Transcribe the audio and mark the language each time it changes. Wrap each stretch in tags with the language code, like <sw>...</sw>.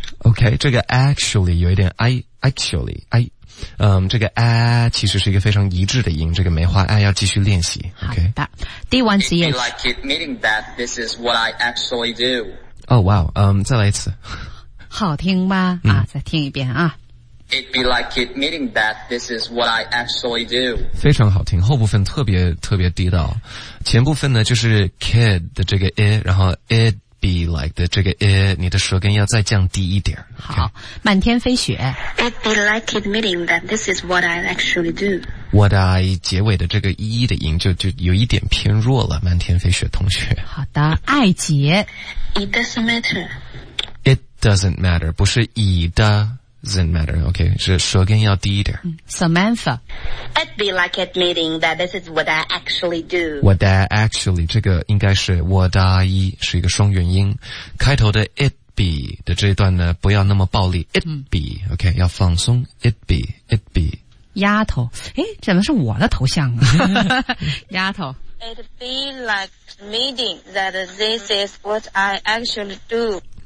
<zh>OK， 这个</zh> <en>actually</en> <zh>有一点</zh> <en>I actually</en> <zh>这个 a 其实是一个非常一致的音，这个梅花 a 要继续练习。OK，第一次也。</zh> <en>It'd be like admitting that this is what I actually do. Oh wow，</en> <zh>再来一次。好听吧、嗯？啊，再听一遍啊。</zh> <en>It'd be like admitting that this is what I actually do.</en> <zh>非常好听，后部分特别特别地道。前部分呢，就是</zh> <en>kid</en> <zh>的这个 i， 然后</zh> <en>it'd be like</en> <zh>的这个 i， 你的舌根要再降低一点。好，</zh> <en>okay.</en> <zh>满天飞雪。</zh> <en>It'd be like admitting that this is what I actually do. What I</en> <zh>结尾的这个 e 的音就有一点偏弱了，满天飞雪同学。好的，艾杰。</zh> <en>It doesn't matter. It doesn't matter，</en> <zh>不是以的。</zh> <en>Doesn't matter,</en> <zh>OK, 是舌根要低一点。</zh> <en>Samantha. It'd be like admitting that this is what I actually do. What I actually,</en> <zh>这个应该是</zh> <en>what I,</en> <zh>是一个双元音。开头的</zh> <en>it be</en> <zh>的这一段呢不要那么暴力。</zh> <en>It be, OK,</en> <zh>要放松。</zh> <en>It be, it be.</en> <zh>丫头。诶怎么是我的头像啊丫头。</zh> <en>It'd be like admitting that this is what I actually do.</en>